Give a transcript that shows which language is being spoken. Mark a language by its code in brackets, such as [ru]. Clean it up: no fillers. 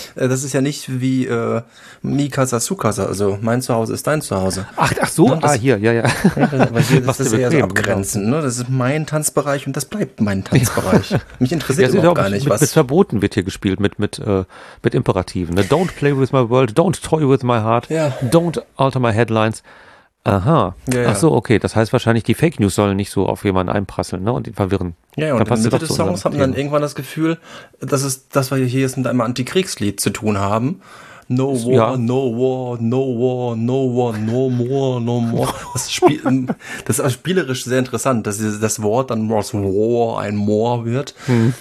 [de] Das ist ja nicht wie Mikasa Sukasa, also mein Zuhause ist dein Zuhause. Ach so, ja, das, hier, ja. Das ist eher so abgrenzend, ne? Das ist mein Tanzbereich und das bleibt mein Tanzbereich. Mich interessiert ja, überhaupt gar nicht, mit, was. Mit Verboten wird hier gespielt, mit Imperativen. Ne? [en] Don't play with my world, don't toy with my heart, don't alter my headlines. Aha. [de] Ja, ach so, okay. Das heißt wahrscheinlich, die Fake News sollen nicht so auf jemanden einprasseln, ne? Und ihn verwirren. Ja, und dann in der Mitte des Songs haben wir dann irgendwann das Gefühl, dass es, dass wir hier jetzt mit einem Antikriegslied zu tun haben. [en] No war, [de] ja. [en] No war, no war, no war, no more, no more. [de] Das ist spielerisch sehr interessant, dass das Wort dann aus war ein more wird. Hm.